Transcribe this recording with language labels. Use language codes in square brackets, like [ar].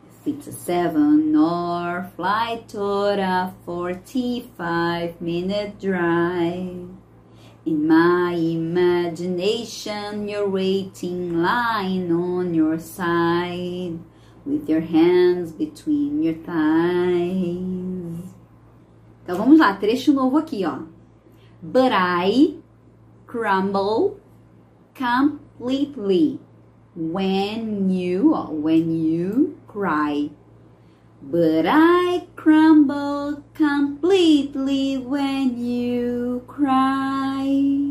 [en] It's a 7-hour flight or a 45-minute drive. In my imagination, you're waiting, lying on your side, with your hands between your thighs. [pt] Então vamos lá, trecho novo aqui, ó. [en] But I crumble completely when you cry. But I crumble completely when you cry.